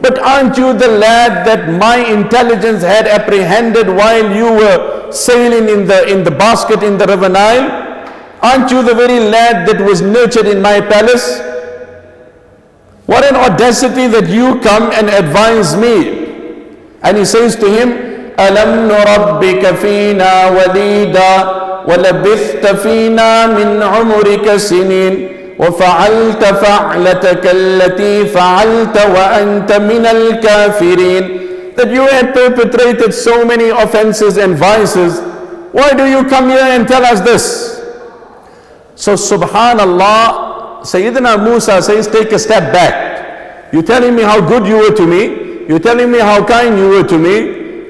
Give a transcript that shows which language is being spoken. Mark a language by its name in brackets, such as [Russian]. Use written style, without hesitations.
[English] But aren't you the lad that my intelligence had apprehended while you were sailing in the basket in the river Nile? Aren't you the very lad that was nurtured in my palace? What an audacity that you come and advise me. And he says to him, [Arabic] أَلَمْ نُرَبِّكَ فِينَا وَلِيدًا وَلَبِثْتَ فِينَا مِنْ عُمُرِكَ سِنِينَ. وفعلت فعلتك التي فعلت وأنت من الكافرين. [English] That you had perpetrated so many offenses and vices. Why do you come here and tell us this? So subhanallah, Sayyidina Musa says, take a step back. You're telling me how good you were to me. You're telling me how kind you were to me.